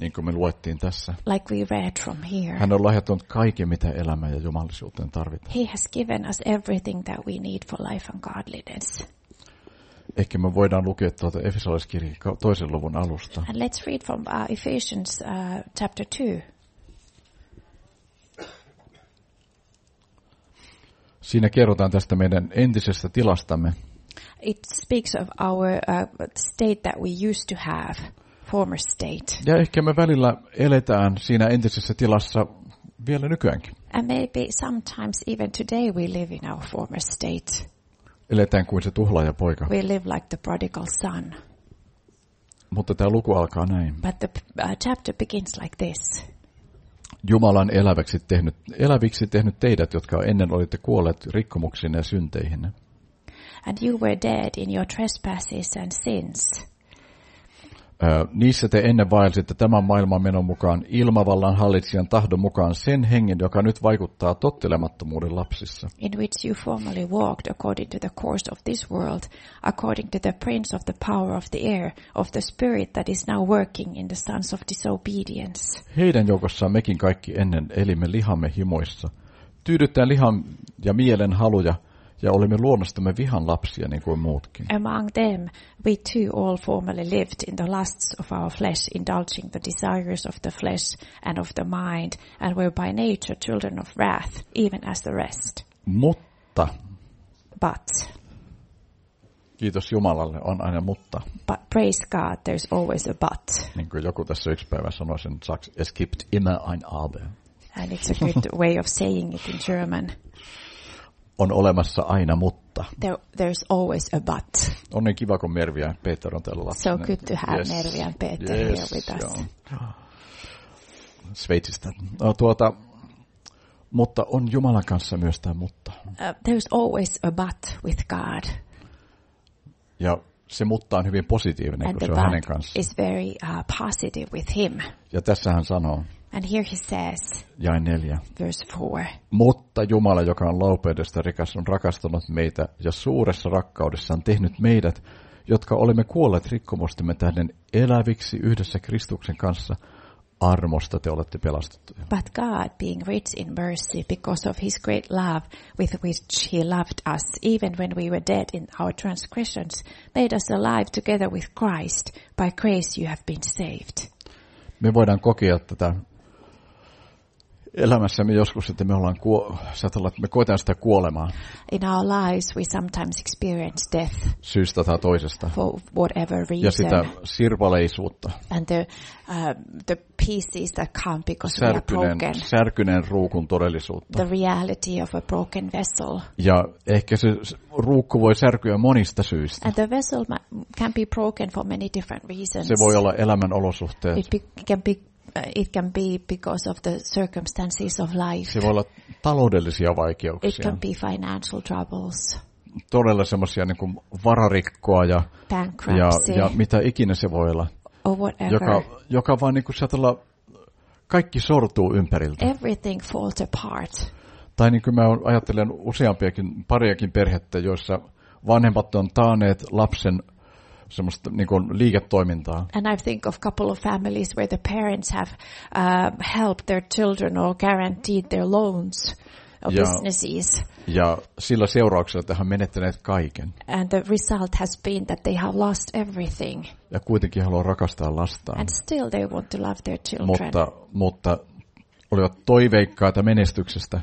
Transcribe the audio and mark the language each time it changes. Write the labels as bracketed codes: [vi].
[fi] Niin kuin me luettiin tässä. [en] Like we read from here. [fi] Hän on lahjoittanut kaiken, mitä elämä ja jumalisuuteen tarvitaan. [en] He has given us everything that we need for life and godliness. [fi] Ehkä me voidaan lukea tuota Efesolaiskirjan toisen luvun alusta. [en] And let's read from Ephesians chapter 2. [fi] Siinä kerrotaan tästä meidän entisestä tilastamme. [en] It speaks of our state that we used to have, former state. [fi] Ja ehkä me välillä eletään siinä entisessä tilassa vielä nykyäänkin. [en] And maybe sometimes even today we live in our former state. [fi] Eletään kuin se tuhlaaja poika. [en] We live like the prodigal son. [fi] Mutta tämä luku alkaa näin. [en] But the chapter begins like this. [fi] Jumalan eläviksi tehnyt teidät, jotka ennen olitte kuolleet rikkomuksiin ja synteihin. [en] And you were dead in your trespasses and sins. [fi] Niissä te ennen vaelsitte tämän maailman menon mukaan, ilmavallan hallitsijan tahdon mukaan, sen hengen, joka nyt vaikuttaa tottelemattomuuden lapsissa. [en] In which you formerly walked according to the course of this world, according to the prince of the power of the air, of the spirit that is now working in the sons of disobedience. [fi] Heidän joukossaan mekin kaikki ennen elimme lihamme himoissa, tyydyttäen lihan ja mielen haluja, ja olimme luonnostamme vihan lapsia niin kuin muutkin. [en] Among them we too all formerly lived in the lusts of our flesh, indulging the desires of the flesh and of the mind, and were by nature children of wrath, even as the rest. [fi] Mutta. [en] But. [fi] Kiitos Jumalalle, on aina mutta. [en] But praise God, there's always a but. [fi] Niin kuin joku tässä yksi päivä sanoi sen saksi, [de] es gibt immer ein aber. [en] And it's a good way of saying it in German. [fi] On olemassa aina mutta. [en] There's always a but. [fi] On niin kiva, kun Mervi ja Peter on täällä lapsena. [en] So good to have yes. Mervi ja Peter yes. Here with us. [fi] Sveitsistä. No, mutta on Jumalan kanssa myös tämä mutta. [en] There's always a but with God. [fi] Ja se mutta on hyvin positiivinen, [en] and [fi] kun se on hänen kanssaan. [en] Is very positive with him. [fi] Ja tässä hän sanoo. [en] And here he says, [fi] jae 4. [en] Verse 4. [fi] Mutta Jumala, joka on laupeudesta rikas, on rakastanut meitä ja suuressa rakkaudessaan tehnyt meidät, jotka olemme kuolleet rikkomustemme tähden eläviksi yhdessä Kristuksen kanssa. Armosta te olette pelastettuja. [en] But God, being rich in mercy, because of his great love with which he loved us, even when we were dead in our transgressions, made us alive together with Christ. By grace you have been saved. [fi] Me voidaan kokea tätä elämässämme joskus, että me ollaan me koetaan sitä kuolemaa. [en] In our lives we sometimes experience death. [fi] Syystä tai toisesta. [en] For whatever reason. [fi] Ja sitä sirpaleisuutta. [en] And the pieces that come because [fi] särkyneen, [en] we are broken. [fi] Särkyneen ruukun todellisuutta. [en] The reality of a broken vessel. [fi] Ja ehkä se ruukku voi särkyä monista syistä. [en] And the vessel can be broken for many different reasons. [fi] Se voi olla elämän olosuhteet. [en] It can be because of the circumstances of life. [fi] Se voi olla taloudellisia vaikeuksia. [en] It can be financial troubles. [fi] Todella semmoisia niin kuin vararikkoa ja [en] bankruptcy. [fi] ja mitä ikinä se voi olla. [en] Or whatever. [fi] Joka vaan niin kuin sieltä kaikki sortuu ympäriltä. [en] Everything falls apart. [fi] Tai niin kuin mä ajattelen useampiakin pariakin perhettä, joissa vanhemmat on taaneet lapsen semmoista niin kuin liiketoimintaa. [en] And I think of a couple of families where the parents have helped their children or guaranteed their loans or businesses. [fi] Ja sillä seurauksella he ovat menettäneet kaiken. [en] And the result has been that they have lost everything. [fi] Ja kuitenkin haluaa rakastaa lastaan. [en] And still they want to love their children. [fi] Mutta olivat toiveikkaita menestyksestä.